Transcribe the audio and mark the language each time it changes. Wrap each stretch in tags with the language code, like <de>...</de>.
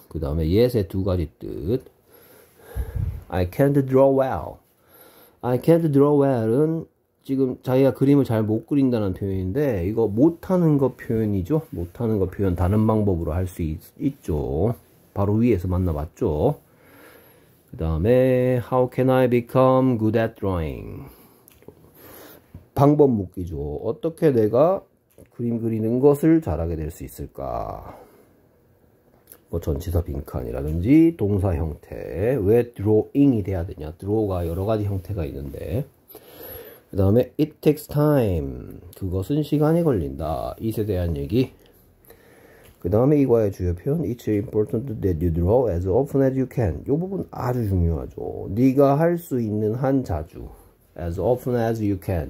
<ko>그 다음에 yet의 두 가지 뜻.</ko> <en>I can't draw well. I can't draw well</en> <ko>은 지금 자기가 그림을 잘못 그린다는 표현인데 이거 못하는 거 표현이죠? 못하는 거 표현 다른 방법으로 할수 있죠. 바로 위에서 만나봤죠?</ko> <en>그 다음에 how can I become good at drawing?</en> <ko>방법 묶기죠. 어떻게 내가 그림 그리는 것을 잘하게 될수 있을까? 뭐 전치사 빈칸이라든지 동사 형태 왜 드로잉이 돼야 되냐? 드로가 여러 가지 형태가 있는데 그 다음에</ko> <en>it takes time</en> <ko>그것은 시간이 걸린다 it에 대한 얘기 그 다음에 이과의 주요 표현</ko> <en>it's important that you draw as often as you can</en> <ko>이 부분 아주 중요하죠 네가 할수 있는 한 자주</ko> <en>As often as you can.</en>